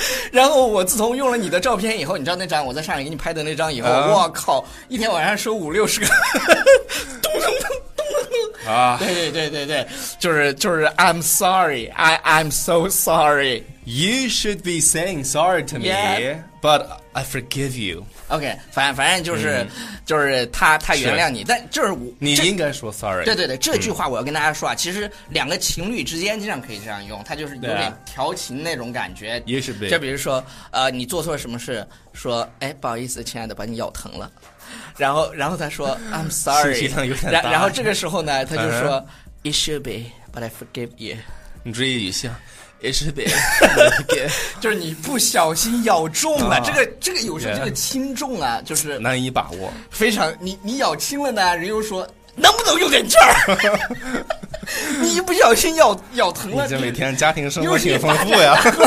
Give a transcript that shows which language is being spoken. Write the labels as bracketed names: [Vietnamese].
[Chinese] 然后我自从用了你的照片以后，你知道那张我在上海给你拍的那张以后，我靠，一天晚上收五六十个，咚咚咚咚咚咚。啊！对对对对对，就是 [English] I'm sorry, I'm so sorry. You should be saying sorry to me. Yeah, But I forgive you. [Chinese] OK, 反正就是、嗯、就是他原谅你，但就是你应该说 sorry。对对对，这句话我要跟大家说啊、嗯，其实两个情侣之间经常可以这样用，他就是有点调情那种感觉。也是被。就比如说，你做错什么事，说，哎，不好意思，亲爱的，把你咬疼了，然后他说 [English] I'm sorry， [Chinese] 信息量有点大。然后这个时候呢，他就说、嗯、 [English] It should be, but I forgive you。 [Chinese] 你注意语气啊。也是得，就是你不小心咬中了、啊、这个有时候这个轻重啊，就是难以把握。非常，你咬轻了呢，人又说能不能用点劲儿？你一不小心咬疼了，你这每天家庭生活挺丰富呀，